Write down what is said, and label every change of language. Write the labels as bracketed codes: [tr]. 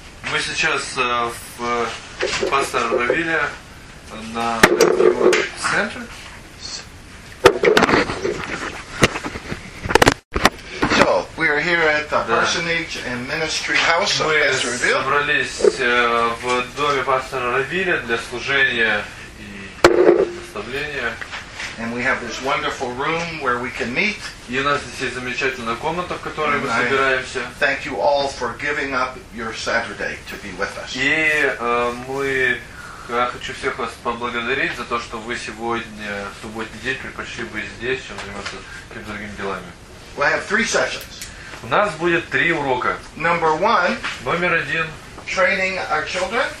[ru] Мы сейчас в пастор Равиле на центре. [en] So we are here at the Parsonage and Ministry House of Pastor Reveal. [ru] Мы собрались в доме пастора Равиле для служения и наставления. [en] And we have this wonderful room where we can meet. [ru] И у нас здесь есть замечательная комната, в которой мы собираемся. [en] Thank you all for giving up your Saturday to be with us. [ru] И я хочу всех вас поблагодарить за то, что вы сегодня, в субботний день, предпочли бы здесь, чем заниматься какими-то другими делами. [en] We have three sessions. [ru] У нас будет три урока. [en] Number one. [ru] Номер один. [en] Training our children.